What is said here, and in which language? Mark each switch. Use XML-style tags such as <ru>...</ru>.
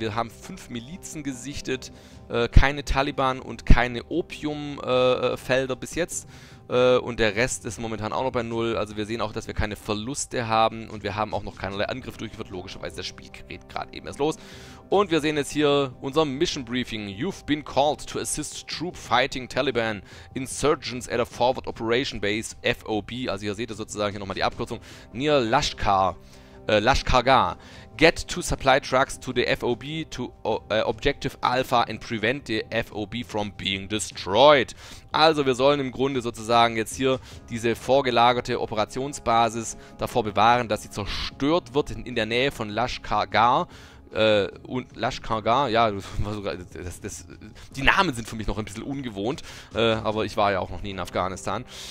<de>Wir haben 5 Milizen gesichtet, keine Taliban und keine Opiumfelder bis jetzt. Und der Rest ist momentan auch noch bei 0. Also wir sehen auch, dass wir keine Verluste haben und wir haben auch noch keinerlei Angriff durchgeführt. Logischerweise, das Spiel gerät gerade eben erst los. Und wir sehen jetzt hier unser Mission Briefing.</de> <en>You've been called to assist troop fighting Taliban insurgents at a forward operation base, FOB.</en> <de>Also hier seht ihr sozusagen hier nochmal die Abkürzung.</de> <en>Near Lashkargah. Get 2 supply trucks to the FOB to Objective Alpha and prevent the FOB from being destroyed.</en> <de>Also wir sollen im Grunde sozusagen jetzt hier diese vorgelagerte Operationsbasis davor bewahren, dass sie zerstört wird in der Nähe von Lashkargah. Und Lashkargah, ja, die Namen sind für mich noch ein bisschen ungewohnt, aber ich war ja auch noch nie in Afghanistan.</de>